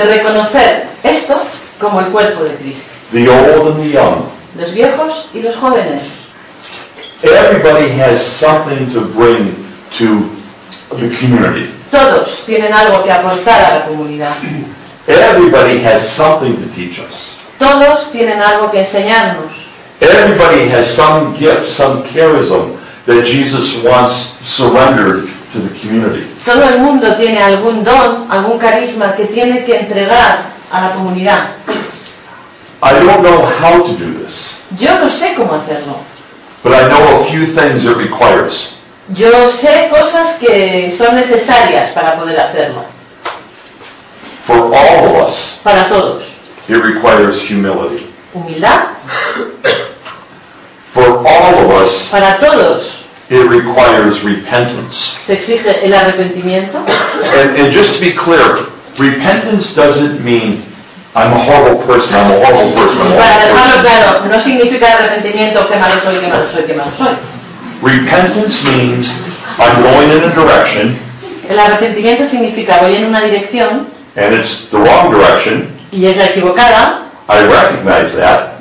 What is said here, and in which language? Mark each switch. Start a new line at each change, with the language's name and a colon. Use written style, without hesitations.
Spanish: De reconocer esto como el cuerpo de Cristo.
English: The old and the young.
Spanish: Los viejos y los jóvenes.
English: Everybody has something to bring to the community.
Spanish: Todos tienen algo que aportar a la comunidad.
English: Everybody has something to teach us.
Spanish: Todos tienen algo que enseñarnos.
English: Everybody has some gift, some charism that Jesus wants surrendered to the community.
Spanish: Todo el mundo tiene algún don, algún carisma que tiene que entregar a la comunidad.
English: I don't know how to do this.
Spanish: Yo no sé cómo hacerlo.
English: But I know a few things it requires.
Spanish: Yo sé cosas que son necesarias para poder hacerlo.
English: For all of us.
Spanish: Para todos.
English: It requires humility.
Spanish: Humildad.
English: For all of us.
Spanish: Para todos.
English: It requires repentance.
Spanish: Se exige el arrepentimiento.
English: And just to be clear, repentance doesn't mean I'm a horrible person, I'm a horrible person.
Spanish: Para dejarlo claro, no significa arrepentimiento, qué malo soy, qué malo soy, qué malo soy.
English: Repentance means I'm going in a direction.
Spanish: El arrepentimiento significa voy en una dirección.
English: And it's the wrong direction.
Spanish: Y es la equivocada.
English: I recognize that.